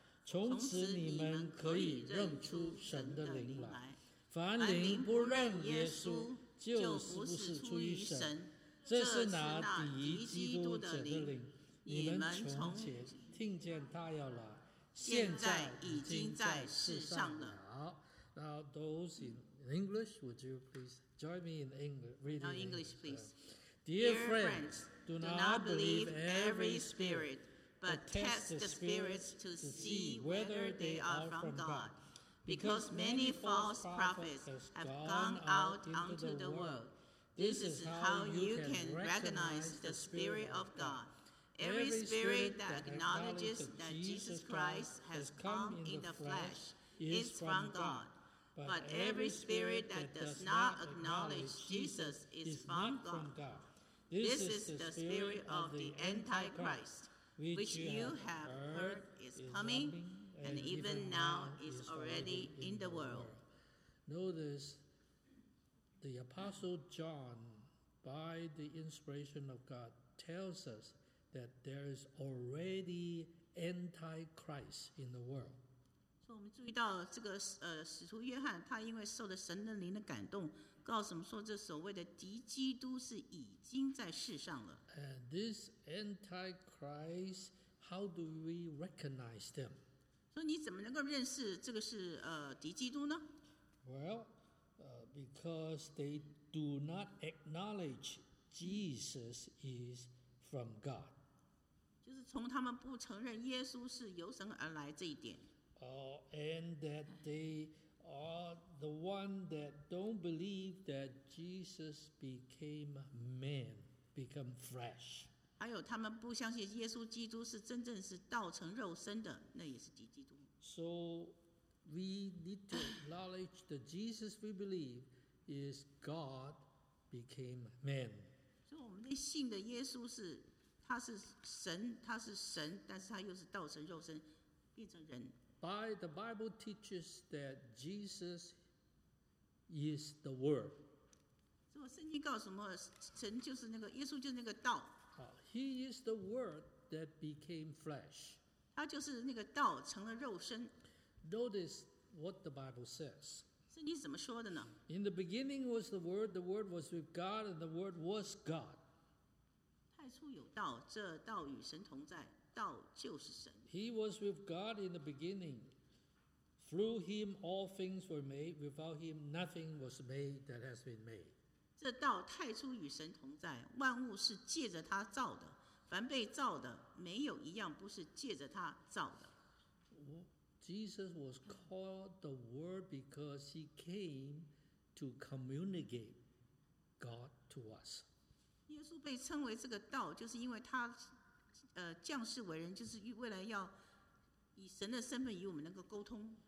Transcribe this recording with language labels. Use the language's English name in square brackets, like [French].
[Chinese] 从此你们可以认出神的灵来。凡灵不认耶稣，就是不是出于神。这是那敌基督者的灵，你们从前听见他要来，现在已经在世上了。 [English] Now those in English, would you please join me in English, reading now English, please. Dear friends, do not believe every spirit. But test the spirits to see whether they are from God, because many false prophets have gone out onto the world. This is how you can recognize the Spirit of God. Every spirit that acknowledges that Jesus Christ has come in the flesh is from God. But every spirit that does not acknowledge Jesus is from God. This is the spirit of the Antichrist. Which you have heard is coming, and even now is already in the world. Notice the Apostle John, by the inspiration of God, tells us that there is already Antichrist in the world. So we [Chinese] 注意到这个使徒约翰，他因为受了神的灵的感动，告诉我们说，这所谓的敌基督是已经在世上了。 [English] And this Antichrist, how do we recognize them? [Chinese] 所以你怎么能够认识这个是敌基督呢？ [English] Well, because they do not acknowledge Jesus is from God. [Chinese] 就是从他们不承认耶稣是由神而来这一点。 [English] And that they... are the one that don't believe that Jesus became man, become flesh. [Chinese] 还有他们不相信耶稣基督是真正是道成肉身的，那也是敌基督。 [English] So we need to acknowledge that Jesus we believe is God became man. [Chinese] 所以我们得信的耶稣是他是神，他是神，但是他又是道成肉身，变成人。 [English] By the Bible teaches that Jesus is the Word. [Chinese] 所以圣经告诉我们，神就是那个耶稣，就是那个道。 [English] He is the Word that became flesh. [Chinese] 他就是那个道成了肉身。 [English] Notice what the Bible says. [Chinese] 圣经怎么说的呢？ [English] In the beginning was the Word was with God, and the Word was God. [Chinese] 太初有道，这道与神同在。 [English] He was with God in the beginning. Through him all things were made. Without him nothing was made that has been made. [Chinese] 这道太初与神同在，万物是借着他造的，凡被造的没有一样不是借着他造的。 [English] Jesus was called the Word because he came to communicate God to us. [Chinese] 耶稣被称为这个道，就是因为他降世为人，就是为了要以神的身份与我们能够沟通。